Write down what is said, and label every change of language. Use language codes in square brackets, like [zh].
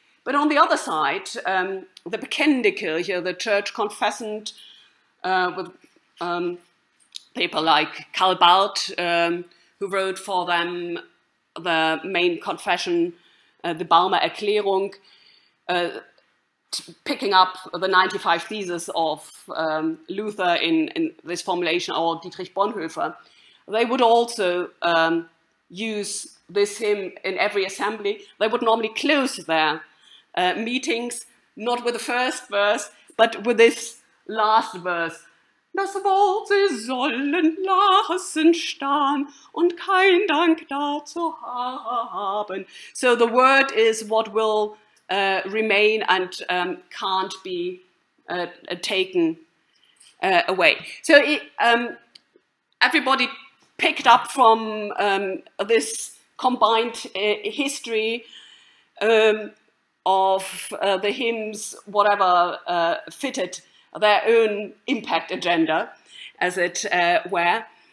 [en] But on the other side, the Bekennende Kirche, the church confessant with people like Karl Barth, who wrote for them the main confession, the Barmer Erklärung, picking up the 95 theses of Luther in this formulation, or Dietrich Bonhoeffer, they would also use this hymn in every assembly. They would normally close their meetings, not with the first verse, but with this last verse. [de] Das Wort, sie sollen lassen stehen und kein Dank dazu haben. [en] So the word is what will remain and can't be taken away. So it, everybody picked up from this combined history of the hymns, whatever fitted their own impact agenda, as it were.